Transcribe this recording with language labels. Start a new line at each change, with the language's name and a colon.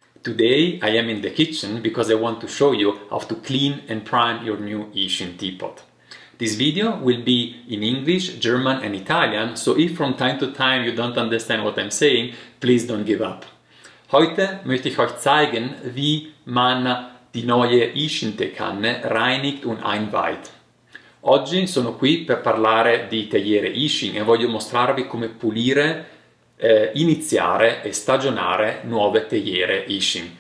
English: Today I am in the kitchen because I want to show you how to clean and prime your new YIXING teapot. This video will be in English, German and Italian, so if from time to time you don't understand what I'm saying, please don't give up.
German: Heute möchte ich euch zeigen, wie man die neue YIXING Teekanne reinigt und einweiht.
Italian: Oggi sono qui per parlare di teiere YIXING e voglio mostrarvi come pulire, iniziare e stagionare nuove teiere YIXING.